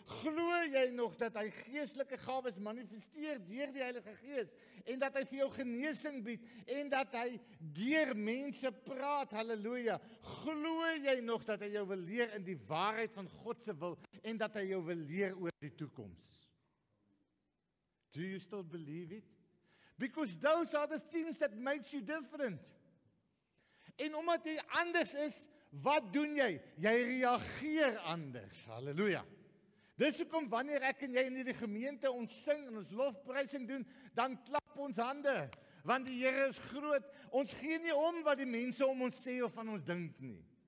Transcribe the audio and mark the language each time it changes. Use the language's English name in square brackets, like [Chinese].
[Afrikaans] Glo jy nog dat hy geestelike gawes manifesteer deur die Heilige Gees en dat hy vir jou genesing bied en dat hy deur mense praat? Halleluja. Glo jy nog dat hy jou wil leer in die waarheid van God se wil en dat hy jou wil leer oor die toekoms? [English] Do you still believe it? Because those are the things that makes you different. [Afrikaans] En omdat jy anders is, wat doen jy? Jy reageer anders. Halleluja. Dis hoekom wanneer ek en jy in die gemeente ons sing en ons lofprysing doen, dan klap ons hande. Want die Here is groot. Ons gee nie om wat die mense om ons sê of van ons dink nie.